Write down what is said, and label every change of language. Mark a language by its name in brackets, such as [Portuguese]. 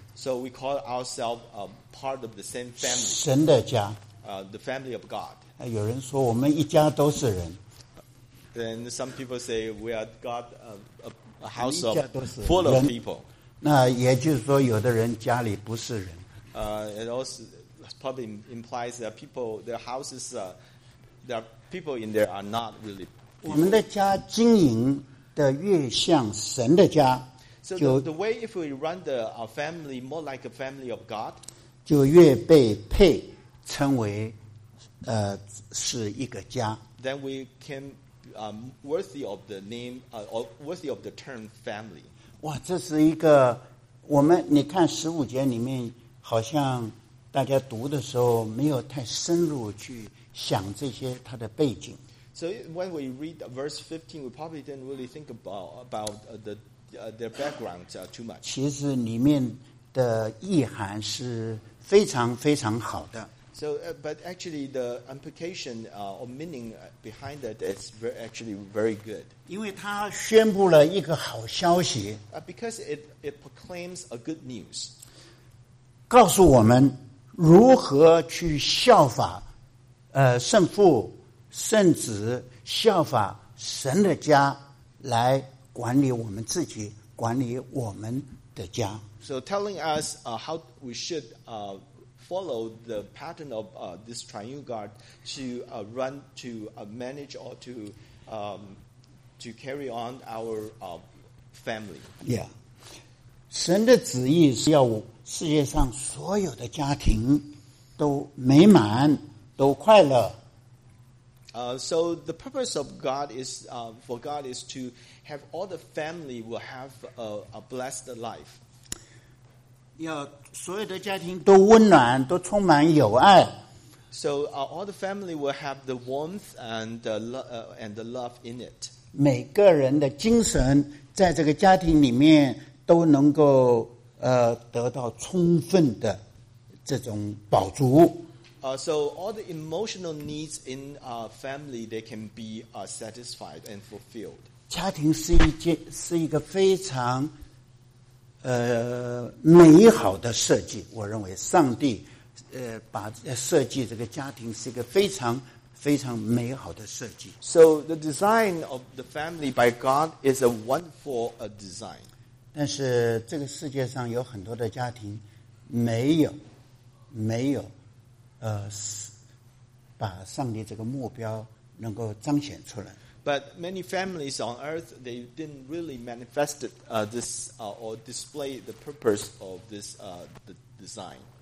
[English] So we call ourselves part of the same family. [Chinese] 神的家 [English] The family of God. [Chinese] 有人说我们一家都是人 [English] Then some people say we are God a house of full of people. [Chinese] 那也就是说有的人家里不是人 [English] It also probably implies that people, their houses, there are people in there are not really people. [Chinese] 我们的家经营的越像神的家 [English] So the way if we run the our family more like a family of God, [Chinese] 就越被配称为是一个家。 [English] Then we can worthy of the name or worthy of the term family. [Chinese] 哇，这是一个我们你看十五节里面好像大家读的时候没有太深入去想这些它的背景。 [English] So when we read verse 15, we probably didn't really think about the. Their background too much. [Chinese] 其实里面的意涵是非常非常好的。 [English] So, but actually, the implication or meaning behind that is very, actually very good. [Chinese] 因为他宣布了一个好消息。 [English] Because it proclaims a good news. [Chinese] 告诉我们如何去效法，圣父、圣子，效法神的家来。管理我们自己，管理我们的家。 [English] So telling us how we should follow the pattern of this triune God to run to manage or to to carry on our family. Yeah. [Chinese] 神的旨意是要世界上所有的家庭都美满，都快乐。 [English] So the purpose of God is for God is to have all the family will have a blessed life. [Chinese] 要所有的家庭都温暖，都充满友爱。 [English] So all the family will have the warmth and the love in it. [Chinese] 每个人的精神在这个家庭里面都能够得到充分的这种饱足。 [English] So all the emotional needs in our family they can be satisfied and fulfilled. [Chinese] 家庭是一个非常美好的设计，我认为上帝把设计这个家庭是一个非常非常美好的设计。 [English] So the design of the family by God is a wonderful design. [Chinese] 但是这个世界上有很多的家庭没有把上帝这个目标能够彰显出来。 [English] But many families on earth, they didn't really manifest this or display the purpose of this the design.